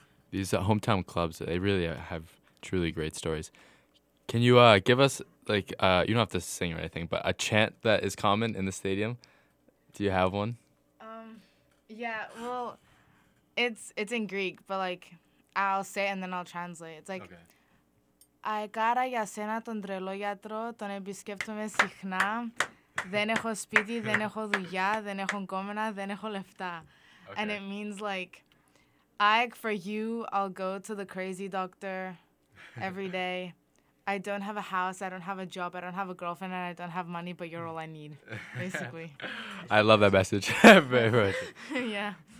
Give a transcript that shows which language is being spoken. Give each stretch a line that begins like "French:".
English: These hometown clubs, they really have truly great stories. Can you give us, like, you don't have to sing or anything, but a chant that is common in the stadium? Do you have one? Yeah, well, it's in Greek, but, like, I'll say it and then I'll translate. It's like,
Greek: Aekara για σένα τον τρελό γιατρό, τον επισκέπτομαι συχνά. Δεν έχω σπίτι, δεν έχω δουλειά, δεν έχω κόμενα, δεν έχω λεφτά.
English: And it means, like, for you, I'll go to the crazy doctor every day. I don't have a house, I don't have a job, I don't have a girlfriend, and I don't have money, but you're all I need, basically. I love that message. Very much. Yeah.